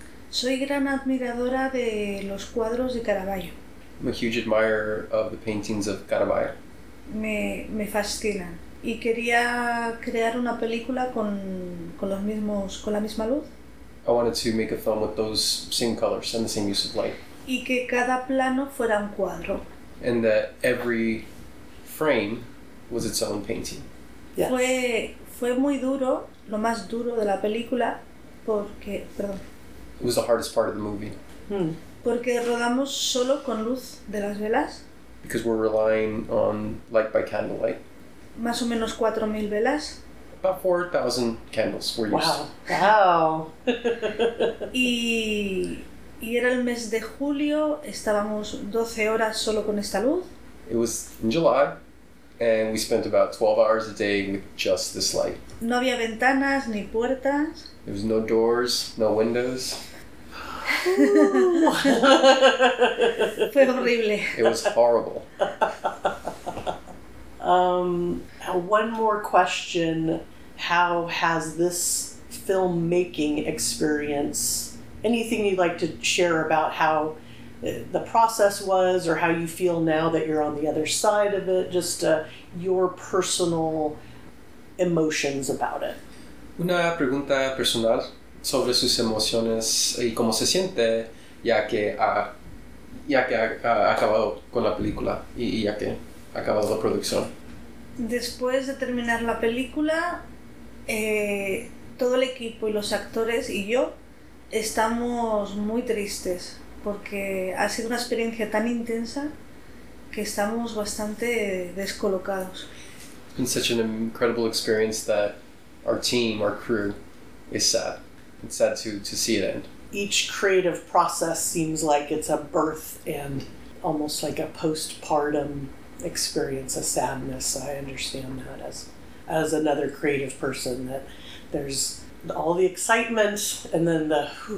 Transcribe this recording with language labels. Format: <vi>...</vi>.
<es>Soy gran admiradora de los cuadros de Caravaggio.</es> <en>I'm a huge admirer of the paintings of Caravaggio.</en> <es>Me fascinan. Y quería crear una película con la misma luz.</es> <en>I wanted to make a film with those same colors and the same use of light.</en> <es>Y que cada plano fuera un cuadro.</es> <en>And that every frame was its own painting. Yes.</en> <es>Fue muy duro, lo más duro de la película, porque... Perdón.</es> <en>It was the hardest part of the movie.</en> <es>Porque rodamos solo con luz de las velas.</es> <en>Because we're relying on light by candlelight.</en> <es>Más o menos 4,000 velas.</es> <en>About 4,000 candles were used. Wow.</en> <es>Y era el mes de julio, estábamos 12 horas solo con esta luz.</es> <en>It was in July, and we spent about 12 hours a day with just this light.</en> <es>No había ventanas ni puertas.</es> <en>There was no doors, no windows.</en> <es>Fue horrible.</es> <en>It was horrible. One more question. How has this filmmaking experience... Anything you'd like to share about how the process was or how you feel now that you're on the other side of it? Just your personal emotions about it.</en> <es>Una pregunta personal sobre sus emociones y cómo se siente ya que ha acabado con la película y ya que ha acabado la producción. Después de terminar la película, todo el equipo y los actores y yo estamos muy tristes porque ha sido una experiencia tan intensa que estamos bastante descolocados.</es> <en>It's been such an incredible experience that our team, our crew, is sad. It's sad to see it end. Each creative process seems like it's a birth and almost like a postpartum experience, a sadness. I understand that as another creative person, that there's all the excitement, and then the...</en>